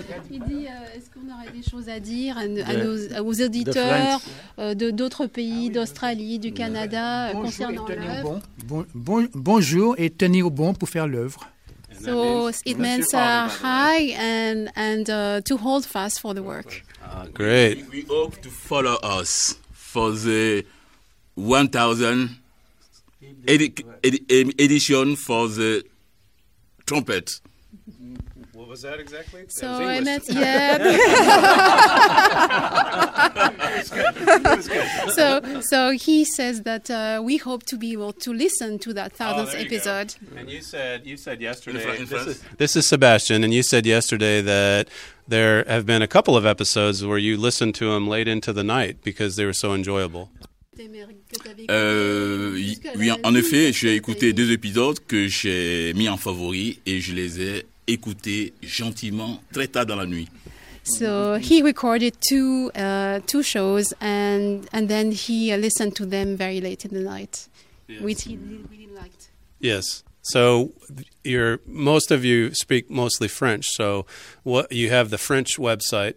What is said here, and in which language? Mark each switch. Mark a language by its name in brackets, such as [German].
[French] Il dit, est-ce qu'on aurait des choses à dire aux auditeurs d'autres pays, d'Australie, du Canada, concernant l'œuvre? Bonjour et tenir bon pour faire l'œuvre. [English] So it means hi and to hold fast for the work. Great. We hope to follow us for the 1,000 edition for the trumpet. What was that exactly? So I meant, yeah. So he says that we hope to be able to listen to that 1,000th episode. Go. And you said yesterday. This is Sebastian, and you said yesterday that there have been a couple of episodes where you listened to them late into the night because they were so enjoyable. [French] Oui, en effet, j'ai écouté deux épisodes que j'ai mis en favori et je les ai écoutés gentiment très tard dans la nuit. [English] So he recorded two shows and then he listened to them very late in the night, yes. Which he really liked. Yes. So most of you speak mostly French. So what you have the French website.